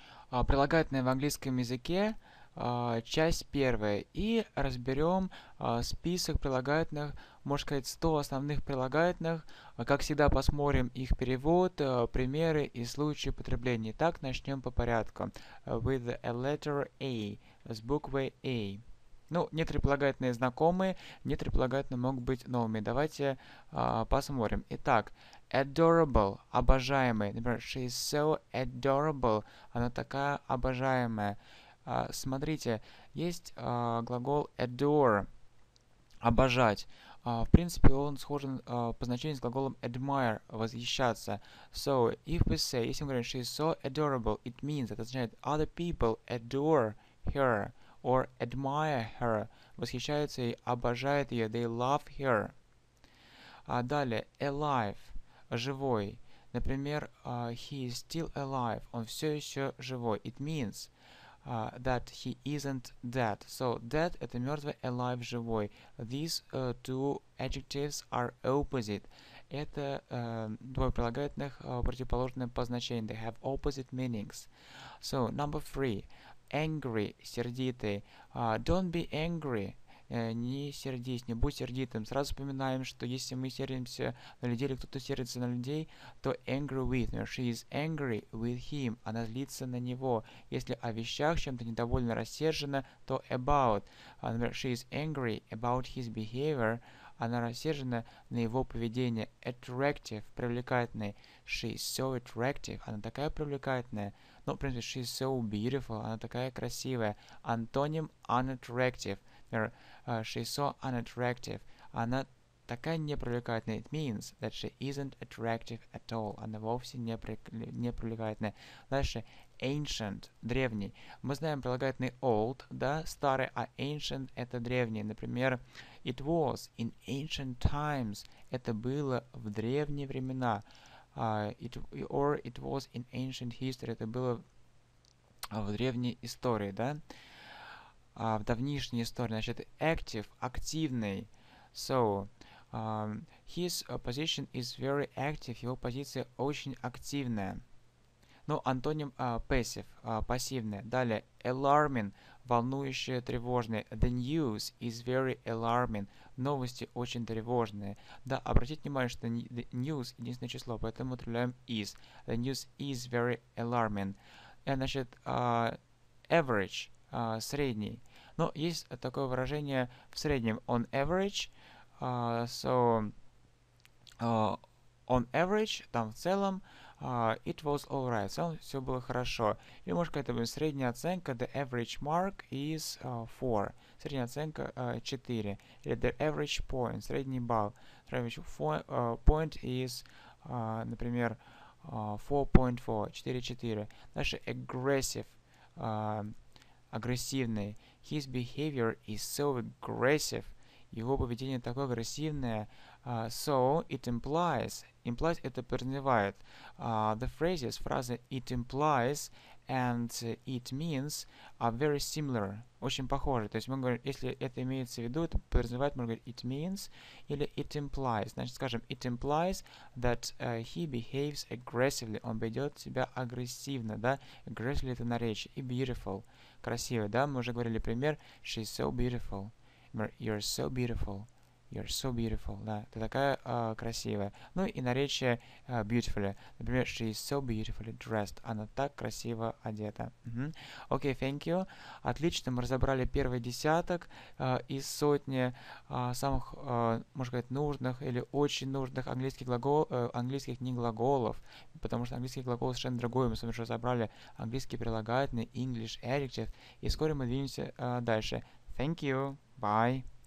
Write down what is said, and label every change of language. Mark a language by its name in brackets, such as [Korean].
[Russian] прилагательные в английском языке, часть первая. И разберем список прилагательных, можно сказать, 100 основных прилагательных. Как всегда, посмотрим их перевод, примеры и случаи употребления. Итак, начнем по порядку. [English] With a letter A, [Russian] с буквой A. Ну, некоторые прилагательные знакомые, некоторые прилагательные могут быть новыми. Давайте посмотрим. Итак, adorable, обожаемый. Например, [English] she is so adorable. [Russian] Она такая обожаемая. Смотрите, есть глагол adore, обожать. В принципе, он схож по значению с глаголом admire, восхищаться. [English] So, if we say, [Russian] если мы говорим, [English] she is so adorable, it means, [Russian] это означает, [English] other people adore her or admire her, [Russian] восхищаются и обожают ее, [English] they love her. [Russian] Далее, alive, живой. Например, [English] he is still alive, [Russian] он все еще живой. [English] It means that he isn't dead. So, dead – [Russian] это мертвый, [English] alive – [Russian] живой. [English] These two adjectives are opposite. [Russian] Это двое прилагательных, противоположные по значению. [English] They have opposite meanings. So, number three. Angry – [Russian] сердитый. [English] Don't be angry. [Russian] Не сердись, не будь сердитым. Сразу вспоминаем, что если мы сердимся на людей, или кто-то сердится на людей, то angry with, [English] she is angry with him. [Russian] Она злится на него. Если о вещах, чем-то недовольна, рассержена, то about. Например, [English] she is angry about his behavior. [Russian] Она рассержена на его поведение. Attractive, привлекательный. [English] She is so attractive. [Russian] Она такая привлекательная. [English] Ну, в принципе, she is so beautiful. [Russian] Она такая красивая. Антоним unattractive. [English] She is so unattractive. [Russian] Она такая непривлекательная. [English] It means that she isn't attractive at all. [Russian] Она вовсе не привлекательная. Дальше. Ancient. Древний. Мы знаем прилагательный old, да, старый, а ancient – это древний. Например, [English] it was in ancient times. [Russian] Это было в древние времена. [English] Or it was in ancient history. [Russian] Это было в древней истории, да? В давнишней истории, значит, active, активный. [English] So, his position is very active. [Russian] Его позиция очень активная. Ну, антоним passive, пассивная. Далее, alarming, волнующее, тревожное. [English] The news is very alarming. [Russian] Новости очень тревожные. Да, обратите внимание, что news единственное число, поэтому употребляем is. [English] The news is very alarming. [Russian] Значит, average, средний. Но есть такое выражение в среднем on average, [English] so on average, [Russian] там в целом, [English] it was alright, [Russian] в целом все было хорошо. Или можно сказать, это средняя оценка, [English] the average mark is 4, [Russian] средняя оценка 4, или [English] the average point, [Russian] средний балл, point is, например, 4.4, 4.4. Дальше aggressive, агрессивный. [English] His behavior is so aggressive. [Russian] Его поведение такое агрессивное. [English] So it implies. [Russian] Implies это подразумевает. [English] The phrases, [Russian] фразы [English] it implies and it means are very similar. [Russian] Очень похожи. То есть мы говорим, если это имеется в виду, это подразумевает, мы говорим it means или it implies. Значит, скажем, [English] it implies that he behaves aggressively. [Russian] Он ведет себя агрессивно, да? Aggressively это наречие. И beautiful. Красиво, да? Мы уже говорили пример. [English] She's so beautiful. You're so beautiful. You're so beautiful. [Russian] Да, ты такая красивая. Ну и наречие beautiful. Например, [English] she is so beautifully dressed. [Russian] Она так красиво одета. Окей, [English] thank you. [Russian] Отлично, мы разобрали первый десяток из сотни самых, можно сказать, нужных или очень нужных английских глаголов, английских не глаголов, потому что английский глагол совершенно другой. Мы с вами уже разобрали английский прилагательный English adjective. И скоро мы двинемся дальше. [English] Thank you. Bye.